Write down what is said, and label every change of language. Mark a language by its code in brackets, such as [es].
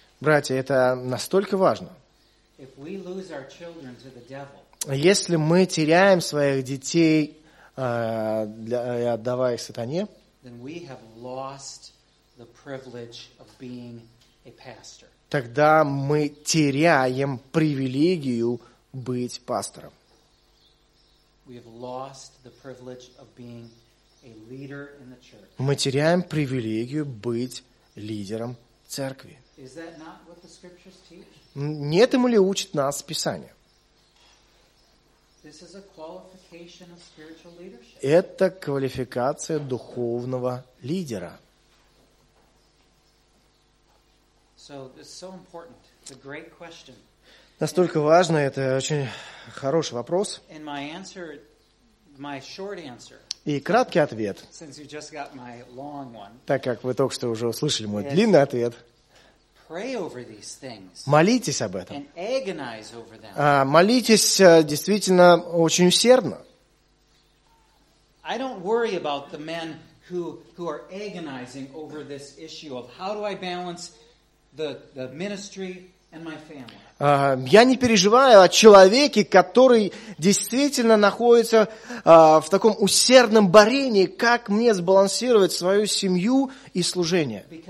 [ru] Братья, это настолько важно. [en] If we lose our children to the devil, [ru] если мы теряем своих детей, отдавая их сатане, [en] then we have lost the privilege of being a pastor. [ru] Тогда мы теряем привилегию быть пастором. [en] We have lost the privilege of being a leader in the church. [ru] Мы теряем привилегию быть лидером церкви. [en] Is that not what the scriptures teach? [ru] Не этому ли учит нас Писание? [en] This is a qualification of spiritual leadership. [ru] Это квалификация духовного лидера. [en] So it's so important. It's a great question. [ru] Настолько важно, это очень хороший вопрос. [en] And my answer, my short answer. [ru] И краткий ответ. [en] Since you just got my long one. [ru] Так как вы только что уже услышали мой длинный ответ. [en] Pray over these things. [ru] Молитесь об этом. [en] And agonize over them. [ru] Молитесь действительно очень усердно. [en] I don't worry about the men who are agonizing over this issue of how do I balance the ministry and my family. [ru] Я не переживаю о человеке, который действительно находится в таком усердном борении, как мне сбалансировать свою семью и служение.